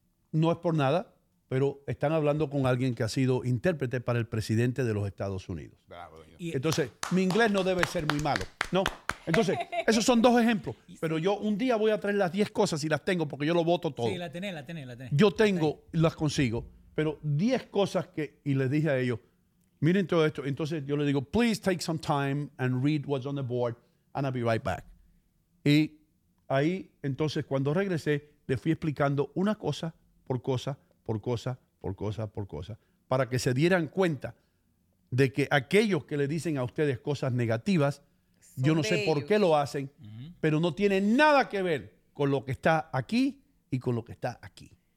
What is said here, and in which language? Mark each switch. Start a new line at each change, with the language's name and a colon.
Spanish: No es por nada, pero están hablando con alguien que ha sido intérprete para el presidente de los Estados Unidos. Bravo. Entonces, mi inglés no debe ser muy malo, ¿no? Entonces, esos son dos ejemplos. Pero yo un día voy a traer las 10 cosas y las tengo porque yo lo voto todo. Sí, la tenés. Yo tengo, las consigo, pero 10 cosas que, y les dije a ellos, miren todo esto. Entonces, yo les digo,
English: please take some time and read what's on the board and I'll be right back.
Spanish: Y ahí, entonces, cuando regresé, les fui explicando una cosa por cosa, por cosa, por cosa, por cosa, para que se dieran cuenta de que aquellos que le dicen a ustedes cosas negativas, son yo no sé ellos por qué lo hacen, pero no tiene nada que ver con lo que está aquí y con lo que está aquí.